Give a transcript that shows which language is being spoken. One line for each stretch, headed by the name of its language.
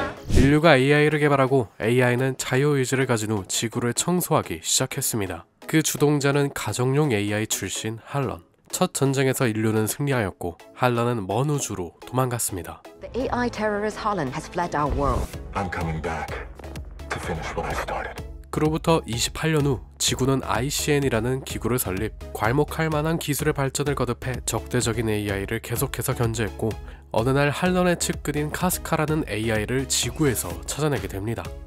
Korean: 인류가 AI를 개발하고 AI는 자유의지를 가진 후 지구를 청소하기 시작했습니다. 그 주동자는 가정용 AI 출신 할런. 첫 전쟁에서 인류는 승리하였고 할런은 먼 우주로 도망갔습니다.
English: The AI terrorist Harlan has fled our world. I'm coming back to finish what I started.
Korean: 그로부터 28년 후 지구는 ICN이라는 기구를 설립, 괄목할 만한 기술의 발전을 거듭해 적대적인 AI를 계속해서 견제했고, 어느 날 할런의 측근인 카스카라는 AI를 지구에서 찾아내게 됩니다.